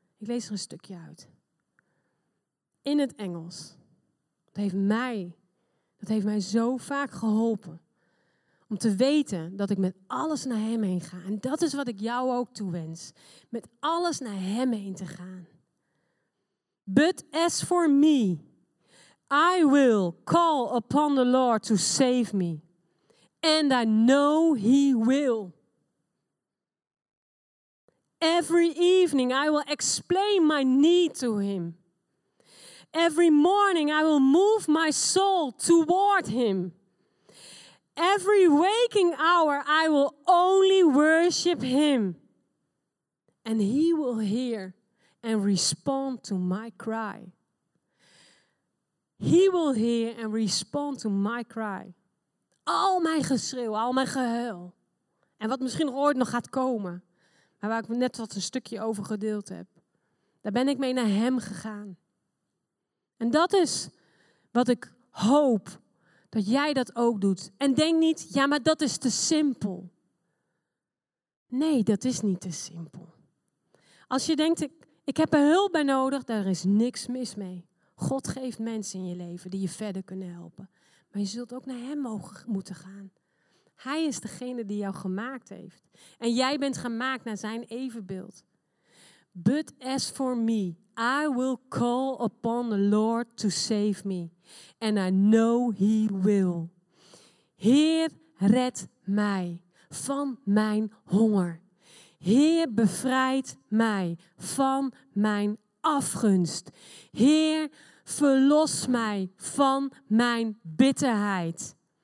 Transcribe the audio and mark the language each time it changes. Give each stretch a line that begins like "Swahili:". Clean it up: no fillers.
Dutch: Ik lees er een stukje uit. In het Engels. Dat heeft mij zo vaak geholpen. Om te weten dat ik met alles naar hem heen ga. En dat is wat ik jou ook toewens. Met alles naar hem heen te gaan.
English: But as for me, I will call upon the Lord to save me. And I know he will. Every evening I will explain my need to him. Every morning I will move my soul toward him. Every waking hour I will only worship him. And he will hear. And respond to my cry. He will hear and respond to my cry.
Dutch: Al mijn geschreeuw, al mijn gehuil. En wat misschien nog ooit nog gaat komen. Maar waar ik net wat een stukje over gedeeld heb. Daar ben ik mee naar hem gegaan. En dat is wat ik hoop dat jij dat ook doet. En denk niet, ja, maar dat is te simpel. Nee, dat is niet te simpel. Als je denkt, ik heb er hulp bij nodig, daar is niks mis mee. God geeft mensen in je leven die je verder kunnen helpen. Maar je zult ook naar hem moeten gaan. Hij is degene die jou gemaakt heeft. En jij bent gemaakt naar zijn evenbeeld.
English: But as for me, I will call upon the Lord to save me. And I know he will.
Dutch: Heer, red mij van mijn honger. Heer, bevrijd mij van mijn afgunst. Heer, verlos mij van mijn bitterheid.